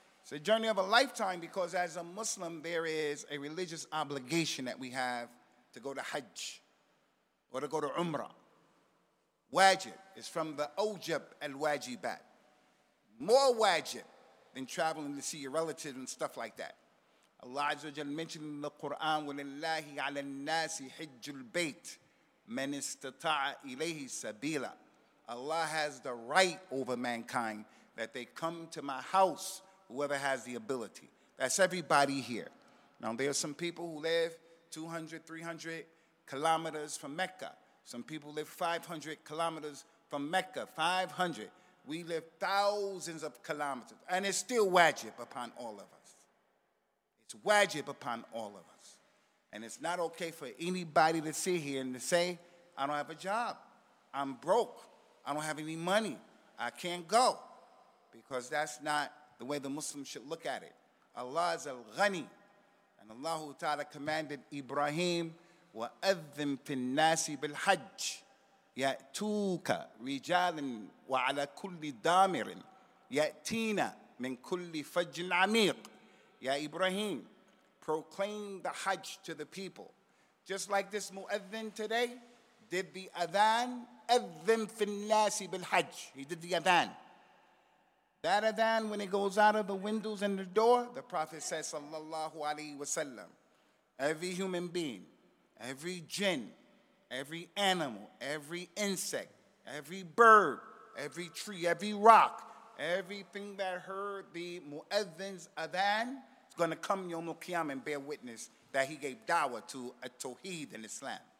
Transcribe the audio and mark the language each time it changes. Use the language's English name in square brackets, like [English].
[English] It's a journey of a lifetime because as a Muslim, there is a religious obligation that we have to go to Hajj or to go to Umrah. Wajib is from the Ojib al-Wajibat. More wajib than traveling to see your relatives and stuff like that. [Arabic] Allah Azza wa Jalla mentioned in the Quran, وَلِلَّهِ عَلَى النَّاسِ حِجُّ الْبَيْتِ مَنْ اسْتَطَعَ إِلَيْهِ سَبِيلًا. [English] Allah has the right over mankind that they come to my house, whoever has the ability. That's everybody here. Now, there are some people who live 200, 300 kilometers from Mecca. Some people live 500 kilometers from Mecca, 500. We live thousands of kilometers, and it's still wajib upon all of us. It's wajib upon all of us. And it's not okay for anybody to sit here and to say, I don't have a job, I'm broke, I don't have any money, I can't go. Because that's not the way the Muslims should look at it. Allah is al-ghani. [Arabic] And Allah Ta'ala commanded Ibrahim, وَأَذِّمْ فِي النَّاسِ بِالْحَجِّ يَأْتُوكَ رِجَالٍ وَعَلَى كُلِّ دَامِرٍ يَأْتِينَ مِنْ كُلِّ فَجٍ عَمِيقٍ. [English] Ya Ibrahim, proclaim the Hajj to the people. Just like this Mu'adhin today did the Adhan, [Arabic] أَذِّمْ فِي النَّاسِ بِالْحَجِّ. [English] He did the Adhan. That Adhan, when it goes out of the windows and the door, the Prophet says, sallallahu alayhi wa sallam, every human being, every jinn, every animal, every insect, every bird, every tree, every rock, everything that heard the Mu'adhin's Adhan, is going to come Yawm al-Qiyamah and bear witness that he gave da'wah to a tawheed in Islam.